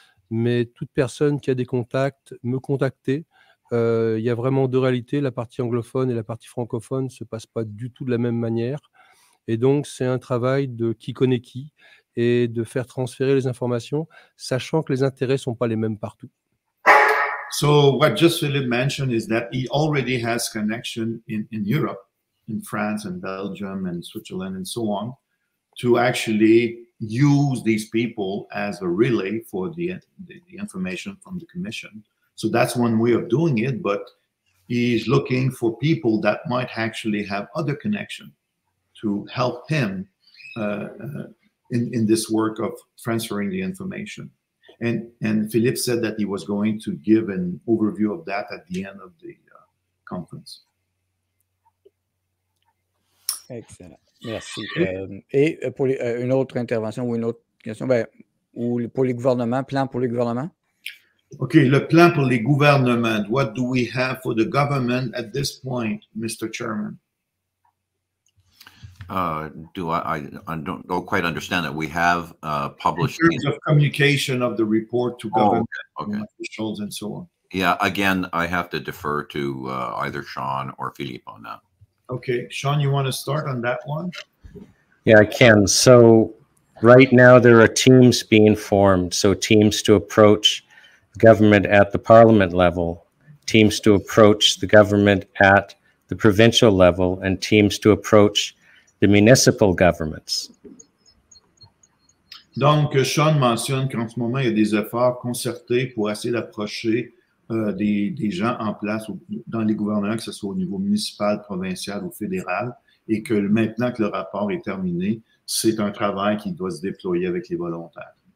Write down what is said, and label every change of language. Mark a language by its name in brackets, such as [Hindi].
[French] Mais toute personne qui a des contacts, me contacter. Il y a vraiment deux réalités, la partie anglophone et la partie francophone ne se passent pas du tout de la même manière. Et donc, c'est un travail de qui connaît qui et de faire transférer les informations, sachant que les intérêts ne sont pas les mêmes partout. [English] So, what just Philip mentioned is that he already has connection in Europe, in France and Belgium and Switzerland and so on, to actually use these people as a relay for the information from the commission. So, that's one way of doing it, but he's looking for people that might actually have other connections to help him in this work of transferring the information. And Philippe said that he was going to give an overview of that at the end of the conference. [French] Excellent. Merci. Et pour une autre intervention ou une autre Question, ben, ou pour les gouvernements, plan pour les gouvernements? OK, le plan pour les gouvernements. [English] What do we have for the government at this point, Mr. Chairman? I don't quite understand that. We have published... In terms of communication of the report to government officials and so on. Yeah, again, I have to defer to either Sean or Philippe on that. Okay, Sean, you want to start on that one? Yeah, I can. So right now there are teams being formed. So teams to approach government at the parliament level, teams to approach the government at the provincial level, and teams to approach the municipal governments. [French] Donc, Sean mentionne qu'en ce moment, il y a des efforts concertés pour essayer d'approcher des gens en place dans les gouvernements, que ce soit au niveau municipal, provincial ou fédéral, et que maintenant que le rapport est terminé, c'est un travail qui doit se déployer avec les volontaires.